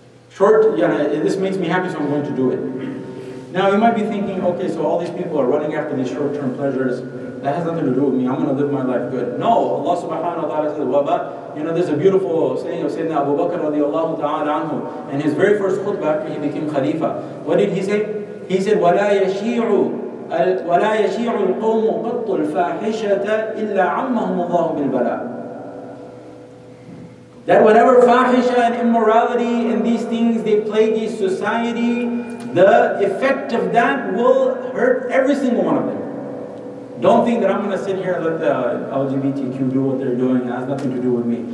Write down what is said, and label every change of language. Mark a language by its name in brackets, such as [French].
[English] Short, yeah, this makes me happy, so I'm going to do it. Now, you might be thinking, okay, so all these people are running after these short-term pleasures. That has nothing to do with me. I'm going to live my life good. No, Allah subhanahu wa ta'ala says, wabah. You know, there's a beautiful saying of Sayyidina Abu Bakr radiallahu ta'ala anhu. In his very first khutbah after he became Khalifa, what did he say? He said, [Arabic] وَلَا يَشِيعُ الْقَوْمُ قَطُّ الْفَاحِشَةَ إِلَّا عَمَّهُمُ اللَّهُ بِالْبَلَىٰ. [English] That whatever fahisha and immorality and these things they plague his society, the effect of that will hurt every single one of them. Don't think that I'm going to sit here and let the LGBTQ do what they're doing. It has nothing to do with me.